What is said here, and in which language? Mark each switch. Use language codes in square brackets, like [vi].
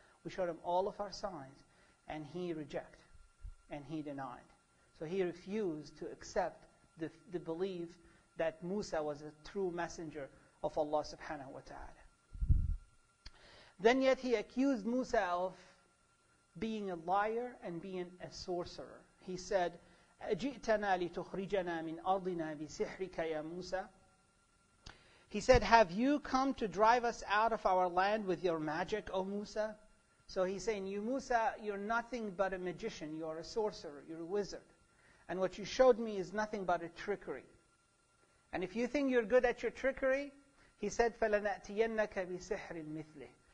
[en] We showed him all of our signs, and he rejected, and he denied. So he refused to accept the belief that Musa was a true messenger of Allah subhanahu wa ta'ala. Then yet he accused Musa of being a liar and being a sorcerer. He said, [ar] أَجِئْتَنَا لِتُخْرِجَنَا مِنْ أَرْضِنَا بِسِحْرِكَ يَا مُوسَى. [en] He said, have you come to drive us out of our land with your magic, O Musa? So he's saying, you Musa, you're nothing but a magician. You're a sorcerer. You're a wizard. And what you showed me is nothing but a trickery. And if you think you're good at your trickery, he said, [ar] فَلَنَأْتِيَنَّكَ بِسِحْرٍ مِثْلِهِ.